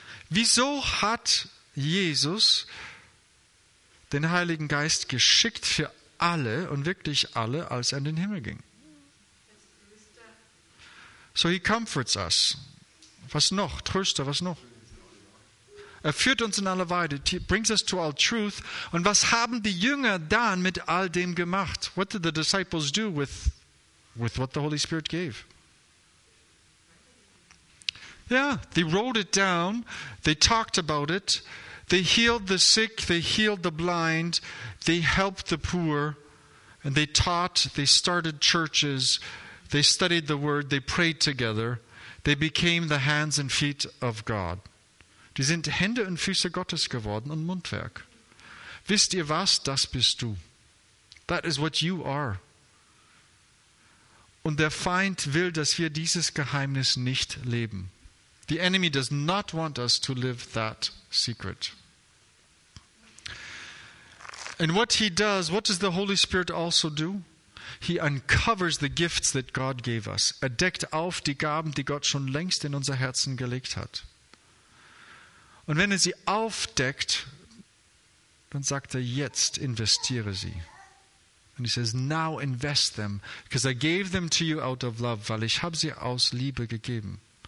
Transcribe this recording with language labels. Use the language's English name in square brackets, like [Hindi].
[German] Wieso hat Jesus den Heiligen Geist geschickt für alle und wirklich alle, als er in den Himmel ging? [English] So he comforts us. [German] Was noch? Tröster, was noch? Er führt uns in alle Wahrheit. [English] He brings us to all truth. [German] Und was haben die Jünger dann mit all dem gemacht? [English] What did the disciples do with what the Holy Spirit gave? Yeah, they wrote it down. They talked about it. They healed the sick. They healed the blind. They helped the poor. And they taught. They started churches. They studied the word. They prayed together. They became the hands and feet of God. [German] Die sind Hände und Füße Gottes geworden und Mundwerk. Wisst ihr was? Das bist du. [English] That is what you are. [German] Und der Feind will, dass wir dieses Geheimnis nicht leben. [English] The enemy does not want us to live that secret. And what he does, what does the Holy Spirit also do? He uncovers the gifts that God gave us. [German] Er deckt auf die Gaben, die Gott schon längst in unser Herzen gelegt hat. Und wenn er sie aufdeckt, dann sagt er, jetzt investiere sie. [English] And he says, now invest them, because I gave them to you out of love, [German] weil ich habe sie aus Liebe gegeben.